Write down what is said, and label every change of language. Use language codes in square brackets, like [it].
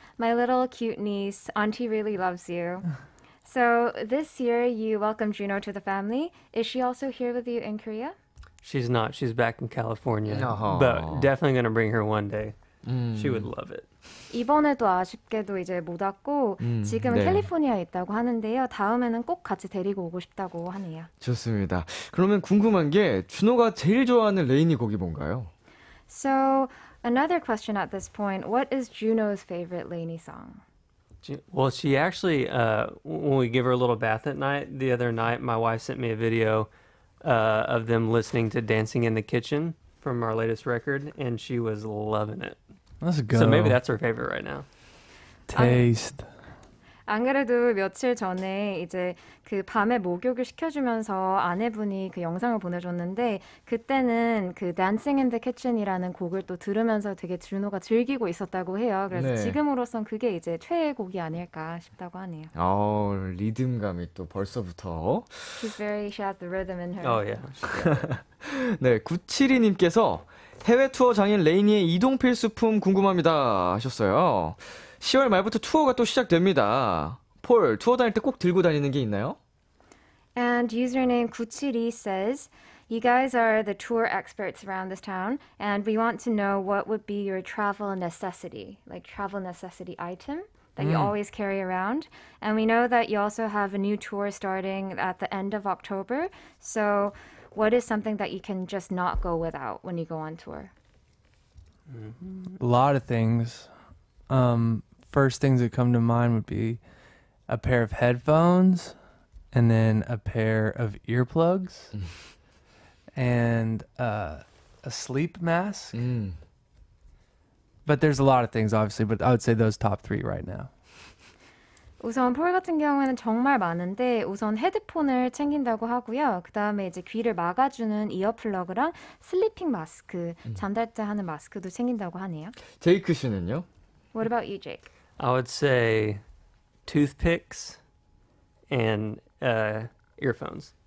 [en] My little cute niece, Auntie really loves you. So this year you welcomed Juno to the family. Is she also here with you in Korea? She's not. She's back in California. Uh-huh. But definitely going to bring her one day. She would love it. [ko] 이번에도 아쉽게도 이제 못 왔고 지금은 네. 캘리포니아에 있다고 하는데요. 다음에는 꼭 같이 데리고 오고 싶다고 하네요. 좋습니다. 그러면 궁금한 게 준호가 제일 좋아하는 레이니 곡이 뭔가요? [en] So another question at this point, what is Juno's favorite Laney song? Well, she actually, when we give her a little bath at night, the other night, my wife sent me a video of them listening to Dancing in the Kitchen from our latest record, and she was loving it. Let's go. So maybe that's her favorite right now. Taste. [ko] 안 그래도 며칠 전에 이제 그 밤에 목욕을 시켜주면서 아내분이 그 영상을 보내줬는데 그때는 그 Dancing in the Kitchen이라는 곡을 또 들으면서 되게 준호가 즐기고 있었다고 해요. 그래서 네. 지금으로선 그게 이제 최애 곡이 아닐까 싶다고 하네요. 어, 리듬감이 또 벌써부터. [en] She's very, she has the rhythm in her. Oh yeah. [ko] 네, 972님께서 해외 투어 장인 레이니의 이동 필수품 궁금합니다 하셨어요. 10월 말부터 투어가 또 시작됩니다. 폴, 투어 다닐 때 꼭 들고 다니는 게 있나요? [en] And username 구치리 says, You guys are the tour experts around this town, and we want to know what would be your travel necessity, like travel necessity item that you always carry around. And we know that you also have a new tour starting at the end of October. So what is something that you can just not go without when you go on tour? A lot of things. First things that come to mind would be a pair of headphones and then a pair of earplugs and a sleep mask. But there's a lot of things, obviously, but I would say those top three right now. [ko] 우선 폴 같은 경우에는 정말 많은데 우선 헤드폰을 챙긴다고 하고요. 그 다음에 이제 귀를 막아주는 이어플러그랑 슬리핑 마스크, 잠잘 때 하는 마스크도 챙긴다고 하네요. 제이크 씨는요? [en] What about you, Jake? I would say toothpicks and earphones.